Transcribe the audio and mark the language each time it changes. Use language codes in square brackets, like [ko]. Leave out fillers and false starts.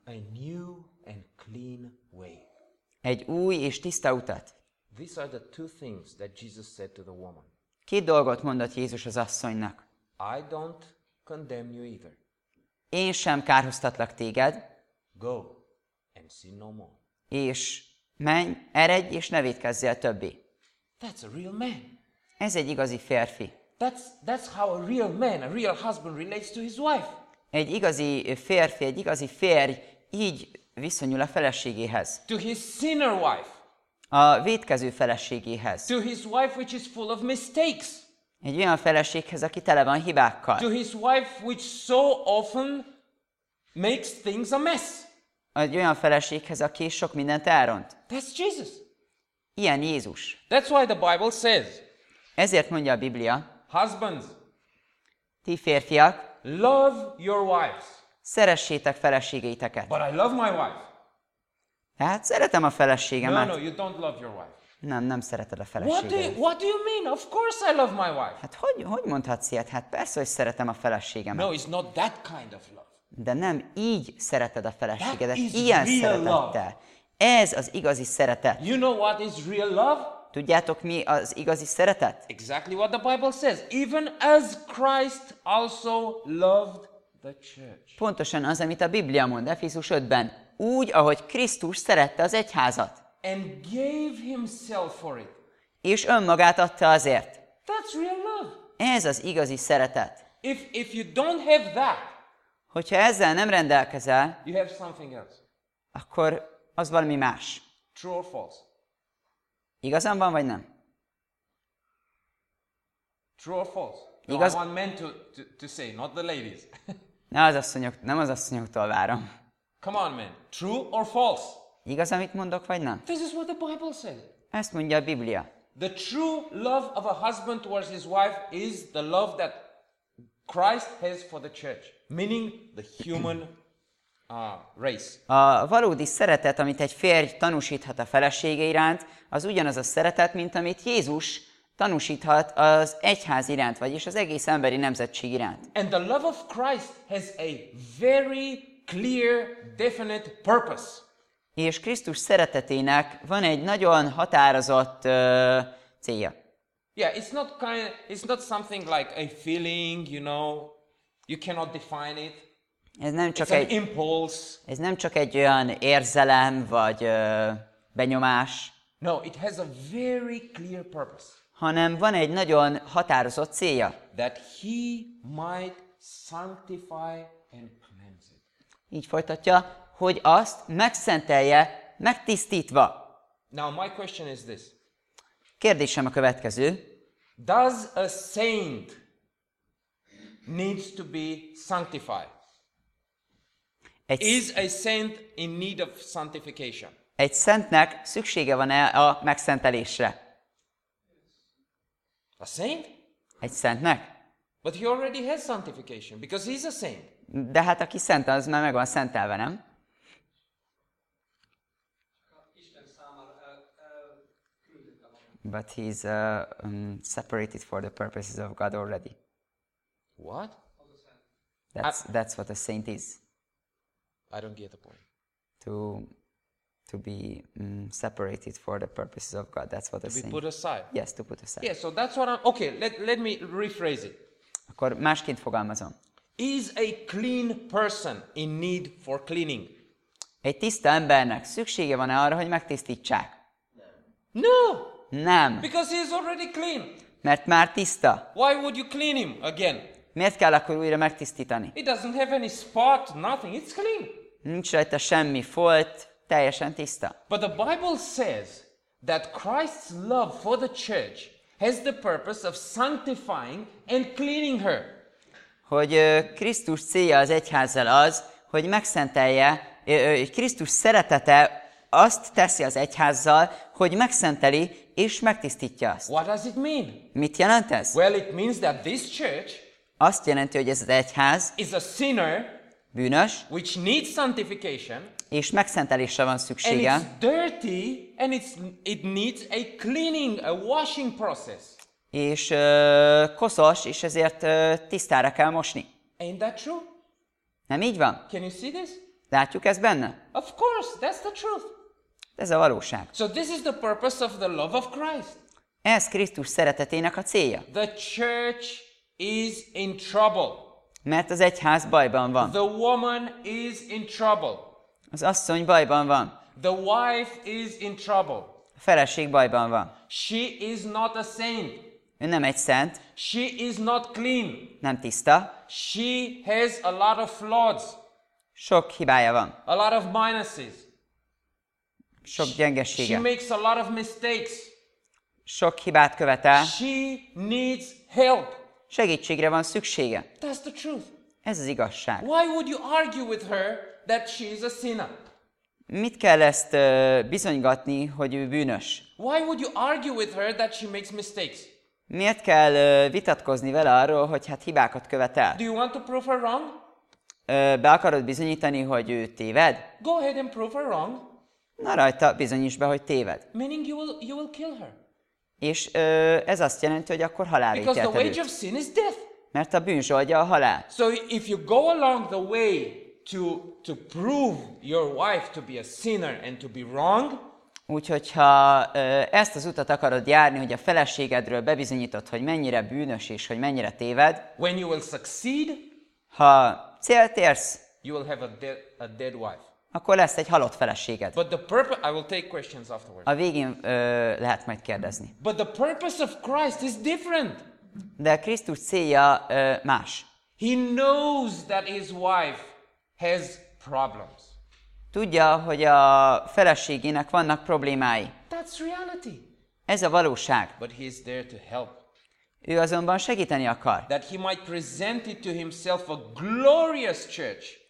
[en] A new and clean way. [hu] Egy új és tiszta utat. [en] These are the two things that Jesus said to the woman. [hu] Két dolgot mondott Jézus az asszonynak. [en] I don't condemn you either. [hu] Én sem kárhoztatlak téged. [en] Go and sin no more. [hu] És menj, eredj, és ne vétkezzél többé. [en] That's a real man. [hu] Ez egy igazi férfi. [en] That's how a real man, a real husband relates to his wife. [hu] Egy igazi férfi, egy igazi férj így viszonyul a feleségéhez. [en] To his sinner wife. [hu] A vétkező feleségéhez. [en] To his wife, which is full of mistakes. [hu] Egy olyan feleséghez, aki tele van hibákkal. [en] To his wife, which so often makes things a mess. [hu] Egy olyan feleséghez, aki sok mindent elront. [en] That's Jesus. [hu] Ilyen Jézus. [en] That's why the Bible says. [hu] Ezért mondja a Biblia. [en] Husbands. [hu] Ti férfiak. [en] Love your wives. [hu] Szeressétek feleségeiteket. [en] But I love my wife. [hu] Hát szeretem a feleségemet. [en] No, you don't love your wife. [hu] Nem szereted a feleségedet. [en] What do you mean? Of course I love my wife. [hu] Hát hogy mondhatsz ilyet? Hát persze, hogy szeretem a feleségemet. [en] No, it's not that kind of love. [hu] De nem így szereted a feleségedet. [en] That is [hu] ilyen [en] real [hu] szeretettel. [en] Love. [hu] Ez az igazi szeretet. [en] You know what is real love? [hu] Tudjátok, mi az igazi szeretet? [en] Exactly what the Bible says. Even as Christ also loved the church. [hu] Pontosan az, amit a Biblia mond, Efézus 5-ben. Úgy, ahogy Krisztus szerette az egyházat. [en] And gave himself for it. [hu] És önmagát adta azért. [en] That's real love. [hu] Ez az igazi szeretet. [en] If you don't have that, [hu] hogyha ezzel nem rendelkezel, [en] you have something else. [hu] akkor az valami más. [en] True or false? [hu] Igazán van vagy nem? [en] True or false? [hu] No, igaz? [en] I want men to say, not the ladies. [hu] Ne az asszonyok, nem az asszonyoktól várom. [en] Come on, man. True or false? [hu] Igaz, amit mondok, vagy nem? [en] This is what the Bible said. [hu] Ezt mondja a Biblia. [en] The true love of a husband towards his wife is the love that Christ has for the church, meaning the human race. [hu] A valódi szeretet, amit egy férj tanúsíthat a felesége iránt, az ugyanaz a szeretet, mint amit Jézus tanúsíthat az egyház iránt, vagyis az egész emberi nemzetség iránt. [en] And the love of Christ has a very clear, definite purpose. [hu] És Krisztus szeretetének van egy nagyon határozott célja. [en] Yeah, it's not something like a feeling, you know. You cannot define it. [hu] Ez nem csak [en] an impulse. [hu] Ez nem csak egy olyan érzelem vagy benyomás. [en] No, it has a very clear purpose. [hu] Hanem van egy nagyon határozott célja. [en] That he might sanctify and cleanse it. [hu] Így folytatja, hogy azt megszentelje, megtisztítva. [en] Now my question is this. [hu] Kérdésem a következő. [en] Does a saint needs to be sanctified? Is a saint in need of sanctification? [hu] Egy szentnek szüksége van-e a megszentelésre? [en] A saint? [hu] Egy szentnek. [en] But he already has sanctification because he's a saint. [hu] De hát aki szent, az már meg van szentelve, nem? [en] But he's separated for the purposes of God already. What? That's what a saint is. I don't get the point. To be separated for the purposes of God. That's what to a saint. To be put aside. Yes, to put aside. Yeah. So that's what I'm. Okay. Let me rephrase it. [hu] Akkor másként fogalmazom. [en] Is a clean person in need for cleaning? [hu] Egy tiszta embernek szüksége van-e arra, hogy megtisztítsák? [en] No. [hu] Nem. [en] Because he is already clean. [hu] Mert már tiszta. [en] Why would you clean him again? [hu] Miért kell akkor újra megtisztítani? [en] It doesn't have any spot, nothing. It's clean. [hu] Nincs rajta semmi folt, teljesen tiszta. [en] But the Bible says that Christ's love for the church has the purpose of sanctifying and cleaning her. [hu] Hogy Krisztus célja az egyházzal az, hogy megszentelje, Krisztus szeretete azt teszi az egyházzal, hogy megszenteli és megtisztítja azt. [en] What does it mean? [hu] Mit jelent ez? [en] Well, it means that this church [hu] azt jelenti, hogy ez az egyház [en] is a sinner, [hu] bűnös, [en] which needs sanctification, [hu] és megszentelésre van szüksége. [en] And it's dirty and it needs a cleaning, a washing process. [hu] És koszos, és ezért tisztára kell mosni. [en] Ain't that true? [hu] Nem így van? [en] Can you see this? [hu] Látjuk ezt benne? [en] Of course, that's the truth. [hu] Ez a valóság. [en] So this is the purpose of the love of Christ. [hu] Ez Krisztus szeretetének a célja. [en] The church is in trouble. [hu] Mert az egyház bajban van. [en] The woman is in trouble. [hu] Az asszony bajban van. [en] The wife is in trouble. [hu] A feleség bajban van. [en] She is not a saint. [hu] Ő nem egy szent. [en] She is not clean. [hu] Nem tiszta. [en] She has a lot of flaws. [hu] Sok hibája van. [en] A lot of minuses. [hu] Sok gyengesége. [en] She makes a lot of mistakes. [hu] Sok hibát követel. [en] She needs help. [hu] Segítségre van szüksége. [en] That's the truth. [hu] Ez az igazság. [en] Why would you argue with her that she is a sinner? [hu] Mit kell ezt bizonygatni, hogy ő bűnös? [en] Why would you argue with her that she makes mistakes? [hu] Miért kell vitatkozni vele arról, hogy hát hibákat követel? [en] Do you want to prove her wrong? [hu] Be akarod bizonyítani, hogy ő téved? [en] Go ahead and prove her wrong. [hu] Na rajta, bizonyíts be, hogy téved. [en] Meaning you will kill her. [hu] És ez azt jelenti, hogy akkor halál ítélted őt. [en] Because the wage of sin is death. [hu] Mert a bűn zsoldja a halál. [en] So if you go along the way to prove your wife to be a sinner and to be wrong. [hu] Úgyhogy ha ezt az utat akarod járni, hogy a feleségedről bebizonyítod, hogy mennyire bűnös és hogy mennyire téved. [en] When you will succeed. [hu] Ha célt érsz. [en] You will have a dead wife. [hu] Akkor lesz egy halott feleséged. [en] But the purpose, I will take questions afterwards. [hu] A végén lehet majd kérdezni. [en] But the purpose of Christ is different. [hu] De Krisztus célja más. [en] He knows that his wife has problems. [hu] Tudja, hogy a feleségének vannak problémái. [en] That's reality. [hu] Ez a valóság. [en] But he's there to help. [hu] Ő azonban segíteni akar. [en] That he might present it to himself a glorious church.